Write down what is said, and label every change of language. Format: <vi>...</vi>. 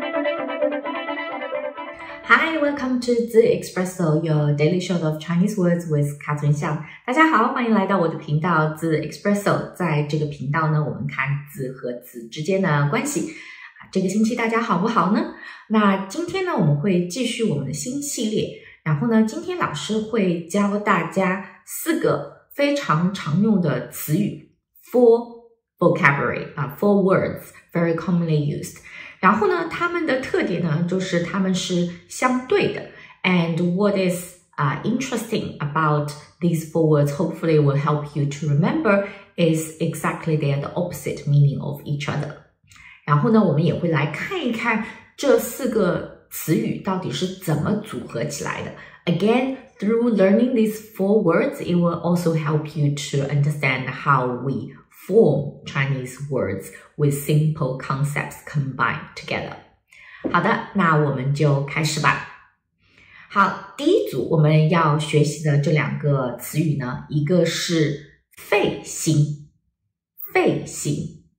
<en>Hi, welcome to the espresso, your daily shot of Chinese words with Catherine Xiao.</en> <zh>大家好，欢迎来到我的频道 the espresso。在这个频道呢，我们看字和字之间的关系。这个星期大家好不好呢？那今天呢，我们会继续我们的新系列。然后呢，今天老师会教大家四个非常常用的词语 ，</zh> <en>four vocabulary</en> <zh>啊 ，</zh> <en>four words very commonly used。</en> <zh>然后呢，它们的特点呢，就是它们是相对的。</zh> <en>And what is interesting about these four words, hopefully will help you to remember, is exactly they are the opposite meaning of each other.</en> <zh>然后呢，我们也会来看一看这四个词语到底是怎么组合起来的。</zh> <en>Again, through learning these four words, it will also help you to understand how we form Chinese words with simple concepts combined together.</en> <zh>好的，那我们就开始吧。好，第一组我们要学习的这两个词语呢，一个是费心，费心。</zh>